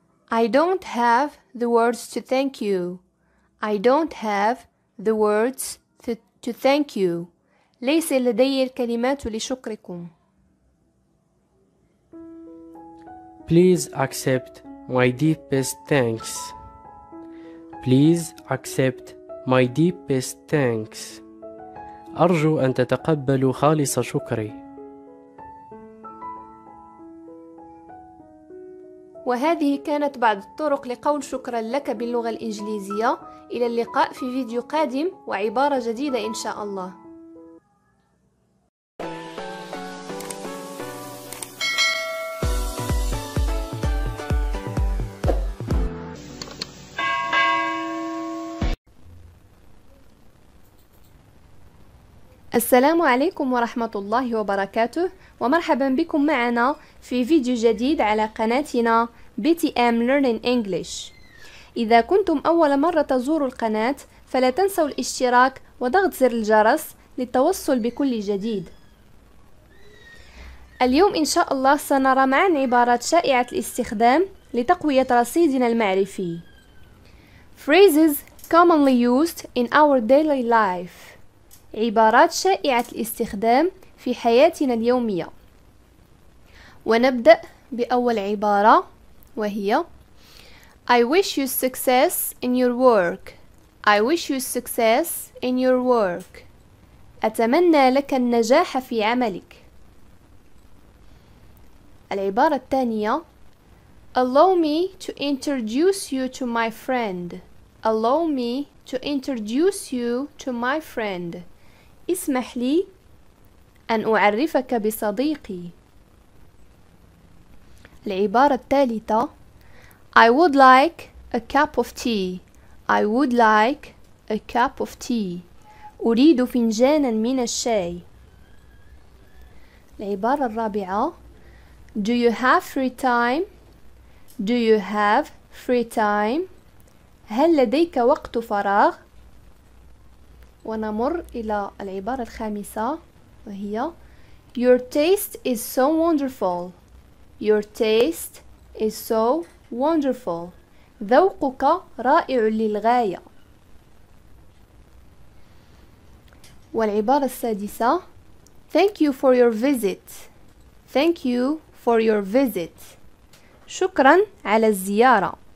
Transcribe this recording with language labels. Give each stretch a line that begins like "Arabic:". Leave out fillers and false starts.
English: I don't have the words to thank you. I don't have the words to thank you.
Arabic: ليس لدي الكلمات لشكركم.
English: Please accept my deepest thanks. Please accept my deepest thanks.
Arabic: أرجو أن تتقبلوا خالص شكري. وهذه كانت بعض الطرق لقول شكرا لك باللغة الإنجليزية. إلى اللقاء في فيديو قادم وعبارة جديدة إن شاء الله. السلام عليكم ورحمة الله وبركاته، ومرحبا بكم معنا في فيديو جديد على قناتنا B.T.M Learning English. إذا كنتم أول مرة تزوروا القناة فلا تنسوا الاشتراك وضغط زر الجرس للتوصل بكل جديد. اليوم إن شاء الله سنرى معا عبارات شائعة الاستخدام لتقوية رصيدنا المعرفي.
English: Phrases commonly used in our daily life.
Arabic: عبارات شائعة الاستخدام في حياتنا اليومية. ونبدأ بأول عبارة وهي
English: I wish you success in your work. I wish you success in your work.
Arabic: أتمنى لك النجاح في عملك. العبارة الثانية
English: Allow me to introduce you to my friend. Allow me to introduce you to my friend.
Arabic: اسمح لي أن أعرفك بصديقي. العبارة الثالثة
English: I would like a cup of tea. I would like a cup of tea.
Arabic: أريد فنجانا من الشاي. العبارة الرابعة
English: Do you have free time? Do you have free time?
Arabic: هل لديك وقت فراغ؟ ونمر إلى العبارة الخامسة وهي
English: Your taste is so wonderful. Your taste is so wonderful.
Arabic: ذوقك رائع للغاية. والعبارة السادسة
English: Thank you for your visit. Thank you for your visit.
Arabic: شكرا على الزيارة.